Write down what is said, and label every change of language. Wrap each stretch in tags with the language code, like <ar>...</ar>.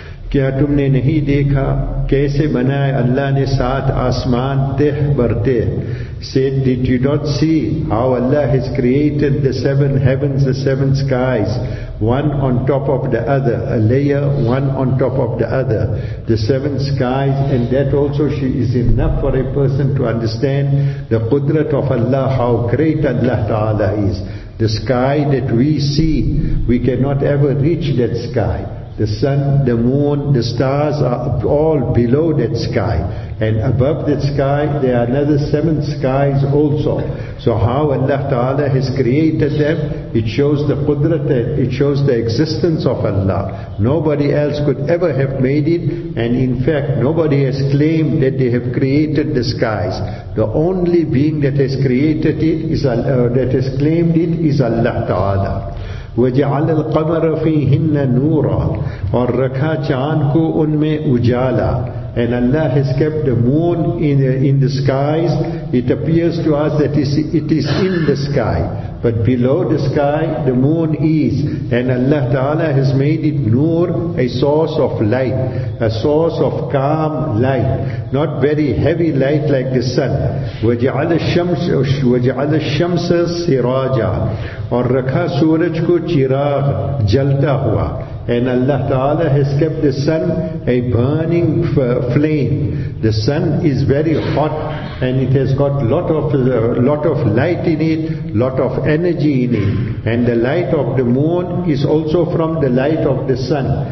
<ur>کیا تم نے نہیں دیکھا کیسے بنائے اللہ نے سات آسمان تہ برتے.</ur> <en>Said, did you not see how Allah has created the seven heavens, the seven skies, one on top of the other, a layer, one on top of the other, the seven skies, and that also she is enough for a person to understand the qudrat of Allah, how great Allah Ta'ala is. The sky that we see, we cannot ever reach that sky. The sun, the moon, the stars are all below that sky. And above that sky, there are another seven skies also. So how Allah Ta'ala has created them, it shows the qudrat, it shows the existence of Allah. Nobody else could ever have made it. And in fact, nobody has claimed that they have created the skies. The only being that has created it, is Allah Ta'ala.</en> <ar>وَجَعَلَ الْقَمَرَ فِيهِنَّ نُورًا.</ar> <ur>اور رکھا چاند کو ان میں اجالا.</ur> <en>And Allah has kept the moon in the skies. It appears to us that it is in the sky, but below the sky the moon is. And Allah Ta'ala has made it noor, a source of light, a source of calm light, not very heavy light like the sun.</en> <ar>وَجَعَلَ الشَّمْسَ سِرَاجًا.</ar> <ur>اور رکھا سورج کو چراغ جلتا ہوا.</ur> <en>And Allah Ta'ala has kept the sun a burning flame. The sun is very hot and it has got lot of light in it, lot of energy in it. And the light of the moon is also from the light of the sun.</en>